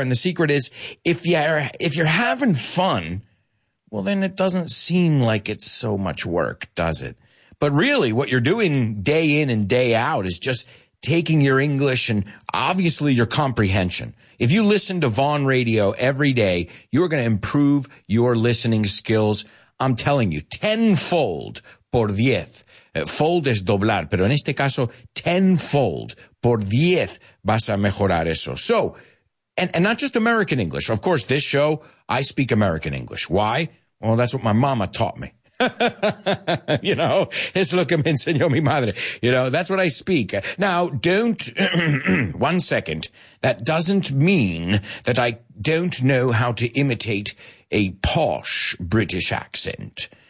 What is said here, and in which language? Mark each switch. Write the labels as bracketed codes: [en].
[en] And the secret is, if you're having fun, well, then it doesn't seem like it's so much work, does it? But really, what you're doing day in and day out is just taking your English and obviously your comprehension. If you listen to Vaughn Radio every day, you're going to improve your listening skills. I'm telling you, tenfold [es] por diez. Fold es doblar, pero en este caso, tenfold por diez vas a mejorar eso. [en] So, And not just American English. Of course, this show, I speak American English. Why? Well, that's what my mama taught me. You know, [es] es lo que me enseñó mi madre. [en] You know, that's what I speak. Now, don't, one second. That doesn't mean that I don't know how to imitate a posh British accent.